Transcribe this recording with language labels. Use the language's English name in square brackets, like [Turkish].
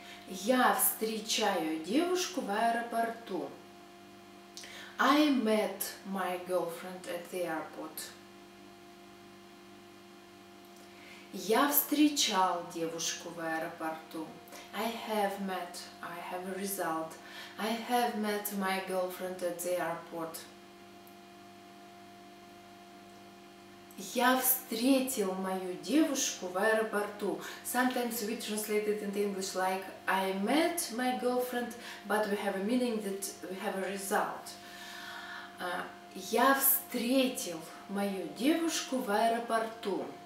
[Russian] Я встречаю девушку в аэропорту. [English] I met my girlfriend at the airport. [Russian] Я встречал девушку в аэропорту. [English] I have met, I have a result. I have met my girlfriend at the airport. [Russian] Я встретил мою девушку в аэропорту. [English] Sometimes we translate it in English like I met my girlfriend, but we have a meaning that we have a result. [Russian] Я встретил мою девушку в аэропорту.